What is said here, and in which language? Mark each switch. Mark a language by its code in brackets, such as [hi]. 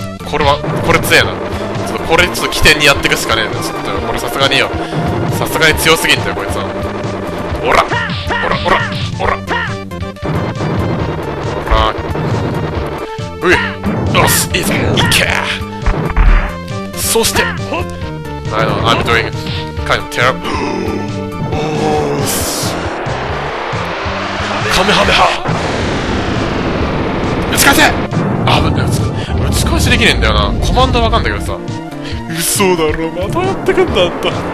[ja] これはこれ強えな。ちょっとこれちょっと起点にやっていくしかねえな。ちょっとこれさすがによ、さすがに強すぎんだよこいつは。おらおらおらおらおら、うい、よし、いいぞ、いけ。 [en] そして I'm doing kind of terrible。 [ja] おーし、カメハメハ打ち返せ。あぶね、打ち返しできねえんだよな。コマンドわかんだけどさ。嘘だろ、またやってくんだった。